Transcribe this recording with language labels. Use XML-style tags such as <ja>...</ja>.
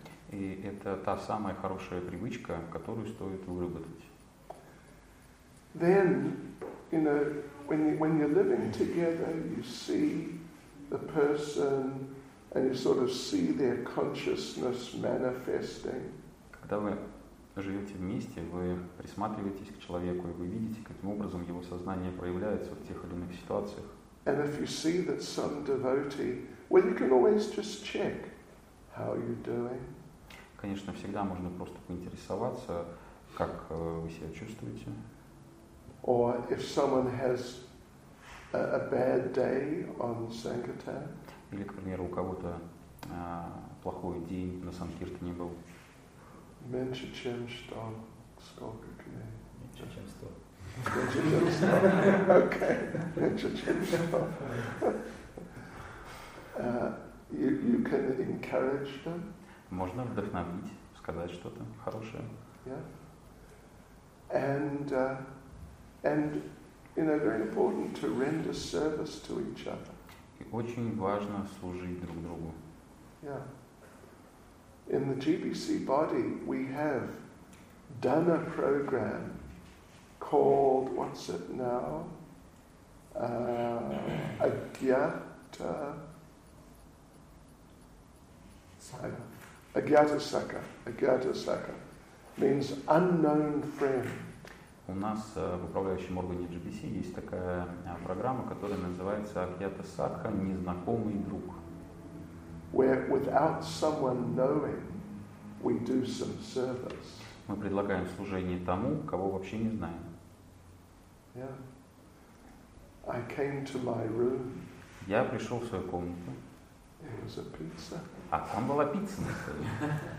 <ru>И это та самая хорошая привычка, которую стоит выработать.</ru> <en>Then, you know, when you're living together, you see the person, and you sort of see their consciousness manifesting.</en> <ru>Когда вы живете вместе, вы присматриваетесь к человеку, и вы видите, каким образом его сознание проявляется в тех или иных ситуациях.</ru> <en>And if you see that some devotee, well, you can always just check how you're doing.</en> <ru>Конечно, всегда можно просто поинтересоваться, как вы себя чувствуете.</ru> <en>Or if someone has a bad day on Sankirtan.</en> <ru>Или, к примеру, у кого-то плохой день на Санкиртане был. Меньше, чем что? Сколько дней? Меньше, чем 100. Меньше, чем 100. Okay. Меньше, чем 100.</ru> <en>You can encourage them.</en> <ru>Можно вдохновить, сказать что-то хорошее.</ru> <en>Yeah. And you know, very important to render service to each other.</en> <ru>И очень важно служить друг другу.</ru> <en>Yeah. In the GBC body, we have done a program called, what's it now?</en> <sa>Agyata.</sa> <en>Агьятасака. Агьятасака means unknown friend.</en> <ru>У нас в управляющем органе GBC есть такая программа, которая называется Агьятасака, незнакомый друг.</ru> <en>Where without someone knowing, we do some service.</en> <ru>Мы предлагаем служение тому, кого вообще не знаем.</ru> <en>Yeah. I came to my room.</en> <ru>Я пришел в свою комнату.</ru> <en>It was a pizza.</en> <ru>А там была пицца на столе.</ru>